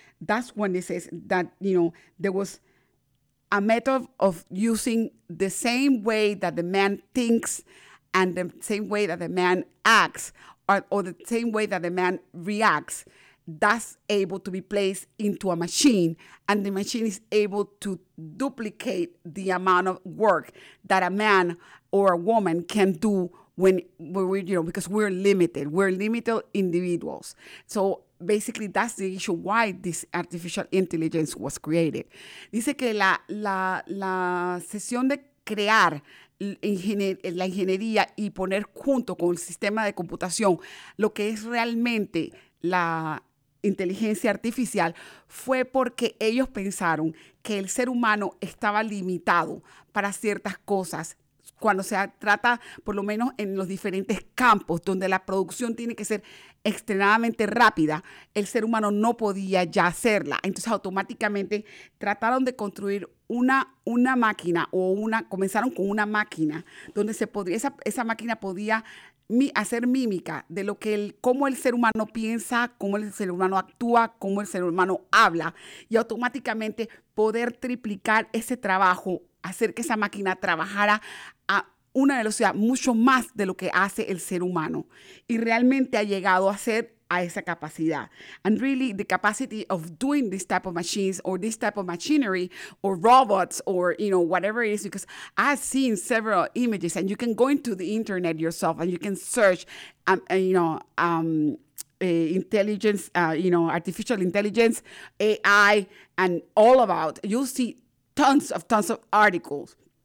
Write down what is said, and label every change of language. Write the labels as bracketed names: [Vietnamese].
[English] That's when it says that, you know, there was a method of using the same way that the man thinks and the same way that the man acts, or the same way that the man reacts, that's able to be placed into a machine, and the machine is able to duplicate the amount of work that a man or a woman can do because we're limited. We're limited individuals. So basically that's the issue why this artificial intelligence was created. [Spanish] Dice que la sesión de crear la ingeniería y poner junto con el sistema de computación lo que es realmente la inteligencia artificial fue porque ellos pensaron que el ser humano estaba limitado para ciertas cosas cuando se trata, por lo menos en los diferentes campos donde la producción tiene que ser extremadamente rápida, el ser humano no podía ya hacerla. Entonces automáticamente trataron de construir una máquina comenzaron con una máquina donde se podría, esa máquina podía hacer mímica de lo que cómo el ser humano piensa, cómo el ser humano actúa, cómo el ser humano habla, y automáticamente poder triplicar ese trabajo, hacer que esa máquina trabajara a una velocidad mucho más de lo que hace el ser humano. Y realmente ha llegado a ser a esa capacidad. [English] And really, the capacity of doing this type of machines or this type of machinery or robots or, you know, whatever it is, because I've seen several images and you can go into the internet yourself and you can search, artificial intelligence, AI, and all about, you'll see tons of articles.